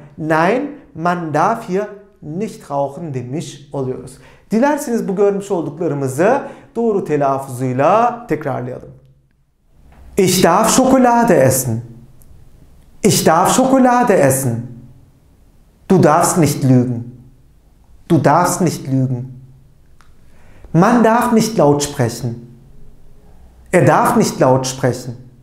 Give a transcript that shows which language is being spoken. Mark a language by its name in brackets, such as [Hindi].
[German] Nein, man darf hier nicht rauchen [Turkish] demiş oluyoruz. Dilerseniz bu görmüş olduklarımızı doğru telaffuzuyla tekrarlayalım. [German] Ich darf Schokolade essen. Ich darf Schokolade essen. Du darfst nicht lügen. Du darfst nicht lügen. Man darf nicht laut sprechen. Er darf nicht laut sprechen.